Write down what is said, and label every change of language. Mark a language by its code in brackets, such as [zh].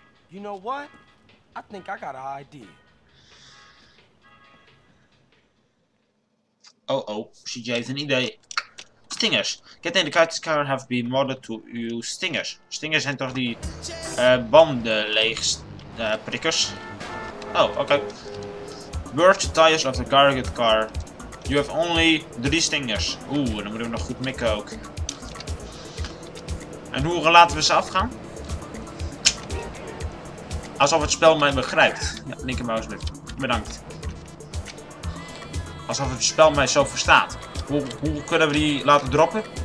[en] You know what? I think I got an idea. [nl] Oh, CJ heeft een idee. Stingers. [en] Get in the car, have been modded to use stingers. [nl] Stingers zijn toch die bandenleegprikkers? Oké. [en] Burst tires of the target car. You have only 3 stingers. [nl] Oeh, dan moeten we nog goed mikken ook. En hoe laten we ze afgaan? Alsof het spel mij begrijpt. Ja, linkermuis met. Bedankt. Alsof het spel mij zo verstaat. Hoe kunnen we die laten droppen?